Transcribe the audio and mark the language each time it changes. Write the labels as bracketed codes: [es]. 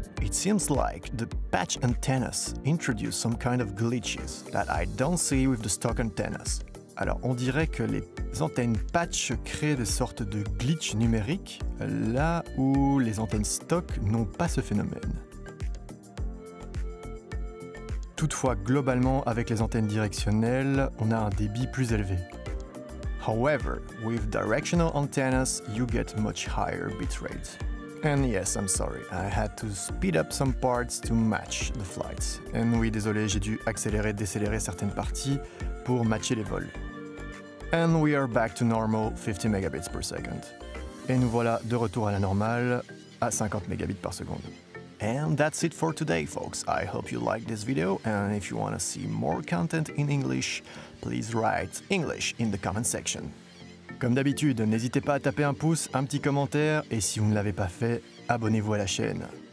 [en] Seems like the patch antennas introduce some kind of glitches that I don't see with the stock antennas. [fr] Alors, on dirait que les antennes patch créent des sortes de glitch numériques, là où les antennes stock n'ont pas ce phénomène. Toutefois, globalement, avec les antennes directionnelles, on a un débit plus élevé. [en] However, with directional antennas, you get much higher bitrate. And yes, I'm sorry, I had to speed up some parts to match the flights. [fr] And oui, désolé, j'ai dû accélérer, décélérer certaines parties pour matcher les vols. [en] And we are back to normal, 50 megabits per second. [fr] Et nous voilà de retour à la normale, à 50 megabits par seconde. [en] And that's it for today, folks. I hope you liked this video, and if you want to see more content in English, please write English in the comment section. [fr] Comme d'habitude, n'hésitez pas à taper un pouce, un petit commentaire, et si vous ne l'avez pas fait, abonnez-vous à la chaîne.